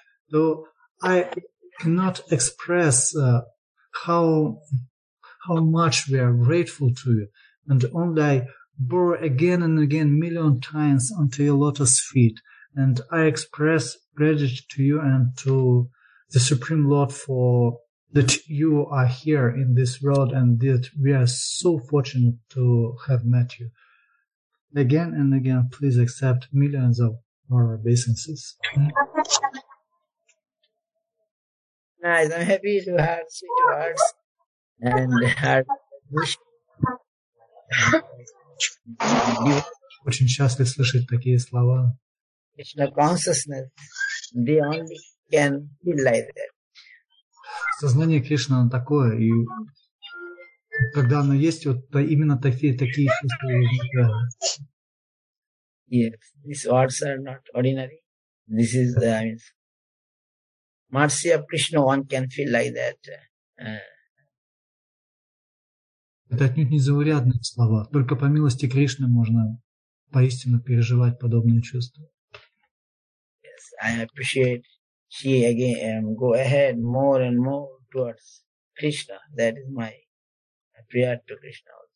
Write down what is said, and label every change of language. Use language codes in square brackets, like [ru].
[en] So I cannot express how much we are grateful to you, and only I bow again and again, million times, unto your lotus feet, and I express gratitude to you and to the Supreme Lord for that you are here in this world and that we are so fortunate to have met you. Again and again, please accept millions of our obeisances. Nice. I'm happy to have sweet words and have [ru] очень часто слышать такие слова. [en] Krishna consciousness, they only can feel like that. [ru] Сознание Кришны, оно такое, и когда оно есть, вот то именно такие чувства возникают. [en] Yes, these words are not ordinary. This is the mercy of Krishna, one can feel like that. [ru] Это отнюдь не заурядные слова. Только по милости Кришны можно поистину переживать подобные чувства. [en] Yes, I appreciate she again go ahead more and more towards Krishna. That is my prayer to Krishna.